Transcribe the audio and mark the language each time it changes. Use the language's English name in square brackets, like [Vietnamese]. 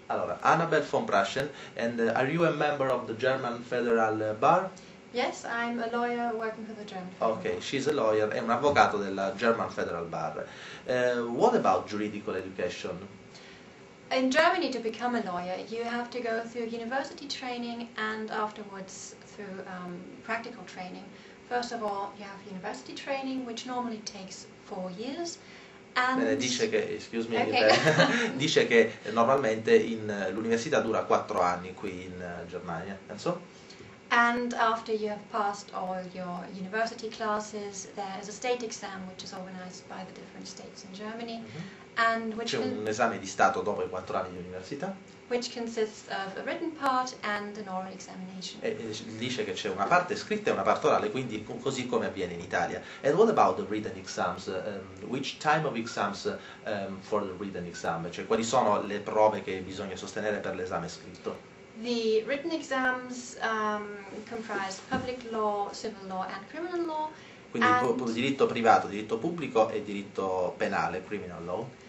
[English] Allora, Annabelle von Praschen, and are you a member of the German Federal Bar? Yes, I'm a lawyer working for the German Federal Bar. Okay, she's a lawyer, [Italian] è un avvocato della [English] German Federal Bar. What about juridical education? In Germany, to become a lawyer, you have to go through university training and afterwards through practical training. First of all, you have university training, which normally takes 4 years. And [Italian] dice che normalmente l'università dura 4 anni qui in Germania. [English] And so? And after you have passed all your university classes, there is a state exam, which is organized by the different states in Germany. Mm-hmm. And which [Italian] c'è un esame di stato dopo i 4 anni di università, [English] which consists of a written part and an oral examination. [Italian] E dice che c'è una parte scritta e una parte orale, quindi così come avviene in Italia. [English] And what about the written exams? Which time of exams for the written exam? [Italian] Cioè, quali sono le prove che bisogna sostenere per l'esame scritto? [English] The written exams comprise public law, civil law and criminal law. [Italian] Quindi diritto privato, diritto pubblico e diritto penale, criminal law.